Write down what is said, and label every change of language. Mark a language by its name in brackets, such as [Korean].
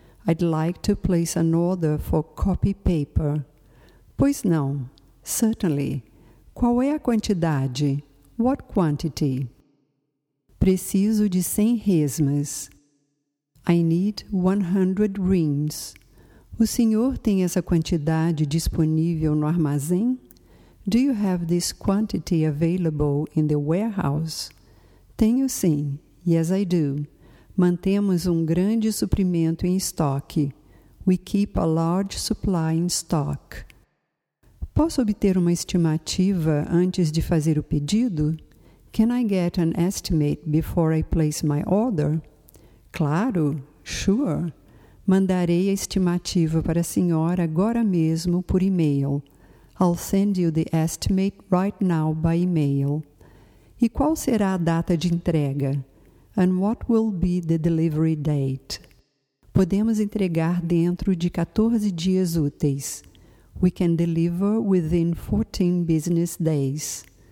[English] I'd like to place an order for copy paper. [Portuguese] Pois não. [English] Certainly. [Portuguese] Qual é a quantidade? [English] What quantity? [Portuguese] Preciso de 100 resmas. [English] I need 100 reams. [Portuguese] O senhor tem essa quantidade disponível no armazém? [English] Do you have this quantity available in the warehouse? [Portuguese] Tenho sim. [English] Yes, I do. [Portuguese] Mantemos um grande suprimento em estoque. [English] We keep a large supply in stock. [Portuguese] Posso obter uma estimativa antes de fazer o pedido? [English] Can I get an estimate before I place my order? [Portuguese] Claro, [English] sure. [Portuguese] Mandarei a estimativa para a senhora agora mesmo por e-mail. [English] I'll send you the estimate right now by email. [Portuguese] E qual será a data de entrega? [English] And what will be the delivery date? [Portuguese] Podemos entregar dentro de 14 dias úteis. [English] We can deliver within 14 business days.